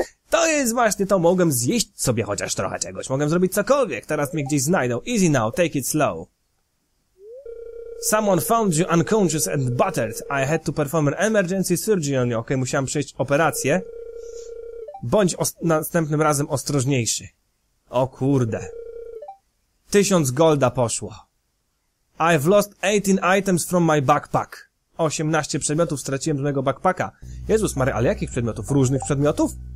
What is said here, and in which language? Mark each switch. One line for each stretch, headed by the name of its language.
Polish: To jest właśnie to, mogłem zjeść sobie chociaż trochę czegoś, mogłem zrobić cokolwiek, teraz mnie gdzieś znajdą.
English: Easy now, take it slow. Someone found you unconscious and battered. I had to perform an emergency surgery on you.
Polish: Okej, musiałem przejść operację. Bądź następnym razem ostrożniejszy. O kurde. 1000 golda poszło.
English: I've lost 18 items from my backpack.
Polish: 18 przedmiotów straciłem z mojego backpacka. Jezus Mary, ale jakich przedmiotów? Różnych przedmiotów?